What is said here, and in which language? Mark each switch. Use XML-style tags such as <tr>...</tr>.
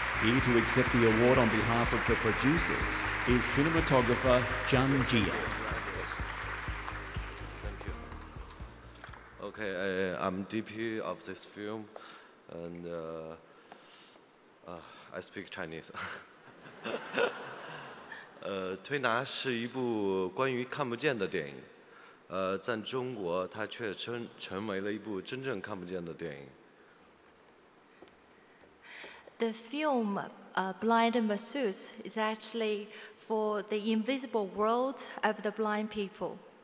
<en>Here to accept the award on behalf of the producers is cinematographer Zhang Jia. Okay, I'm DP of this film, and I speak Chinese.</en> <zh>推拿是一部关于看不见的电影，在中国它却成为了一部真正看不见的电影。The</zh> <en>film Blind Masseuse is actually for the invisible world of the blind people.</en>